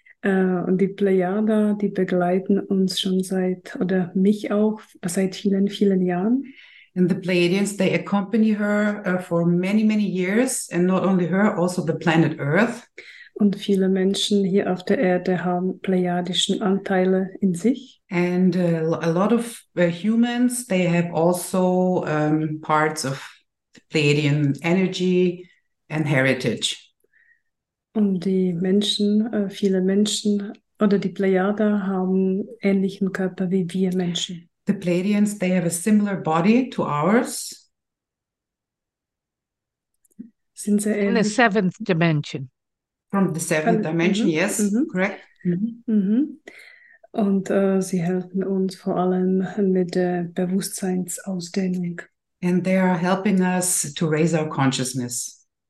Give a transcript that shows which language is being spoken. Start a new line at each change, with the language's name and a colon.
German: Die Pleiader, die begleiten uns schon seit, oder mich auch, seit vielen, vielen Jahren.
English: And the Pleiadians, they accompany her for many, many years. And not only her, also the planet Earth.
German: Und viele Menschen hier auf der Erde haben pleiadischen Anteile in sich.
English: And a lot of humans, they have also parts of the Pleiadian energy and heritage.
German: Und die Menschen, viele Menschen oder die Pleiader haben ähnlichen Körper wie wir Menschen.
English: The Pleiadians, they have a similar body to ours.
German: Sind sie
English: in the seventh dimension. From the seventh dimension, yes, correct.
German: Und sie helfen uns vor allem mit der Bewusstseinsausdehnung.
English: And they are helping us to raise our consciousness.